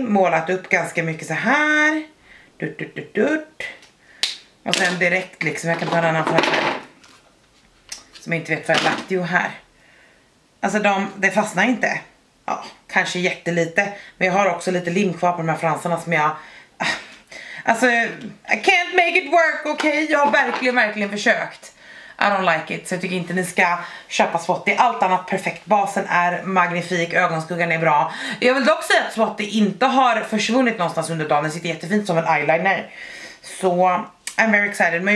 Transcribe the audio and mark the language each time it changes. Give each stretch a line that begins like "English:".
Swedish: Målat upp ganska mycket så här. Dutt, dutt, dutt, dutt. Och sen direkt liksom. Jag kan ta en annan för här. Som jag inte vet vad jag lagt. Jo, här. Alltså det fastnar inte. Ja, kanske jättelite. Men jag har också lite lim kvar på de här fransarna som jag...
English: Alltså, I can't make it work, okej? Okay?
Swedish: Jag har verkligen, verkligen försökt.
English: I don't like it,
Swedish: så jag tycker inte ni ska köpa Swatties. Allt annat perfekt. Basen är magnifik, ögonskuggan är bra. Jag vill dock säga att Swatties inte har försvunnit någonstans under dagen. Den sitter jättefint som en eyeliner. Så,
English: I'm very excited.